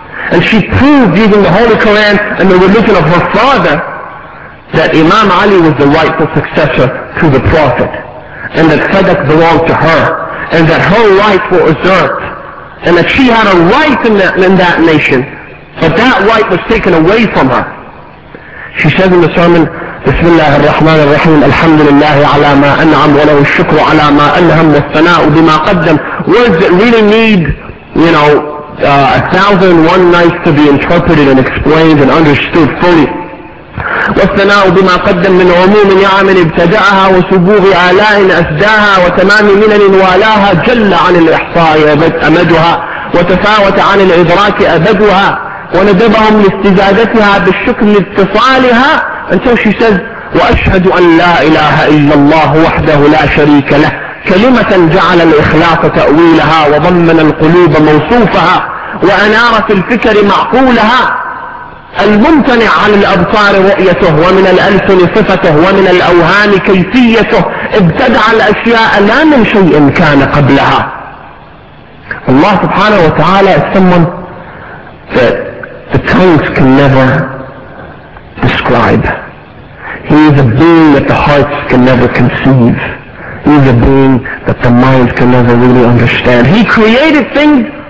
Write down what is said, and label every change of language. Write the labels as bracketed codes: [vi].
[en] And she proved using the Holy Quran and the religion of her father that Imam Ali was the rightful successor to the Prophet. And that Sadaq belonged to her. And that her rights were usurped. And that she had a right in that nation. But that right was taken away from her. She says in the sermon, [ar] بسم الله الرحمن الرحيم الحمد لله على ما أنعم وله الشكر على ما أنهم والثناء بما قدم. [en] Words that really need, you know, 1,001 nights to be interpreted and explained and understood fully. [ar] والثناء بما قدم من عموم نعم ابتدعها وسبوغ آلاء أسداها وتمام منن والاها جل عن الإحصاء أمدها وتفاوت عن الإدراك أبدها وندبهم لاستزادتها بالشكر لاتصالها. [en] Until she says, [ar] وأشهد أن لا إله إلا الله وحده لا شريك له كلمة جعل الإخلاص تأويلها وضمن القلوب موصوفها وأنار في الفكر معقولها الممتنع عن الأبصار رؤيته ومن الألسن صفته ومن الأوهام كيفيته ابتدع الأشياء لا من شيء كان قبلها. الله سبحانه وتعالى [en] is someone that the tongues can never describe. He is a being that the hearts can never conceive. is a being that the mind can never really understand. He created things.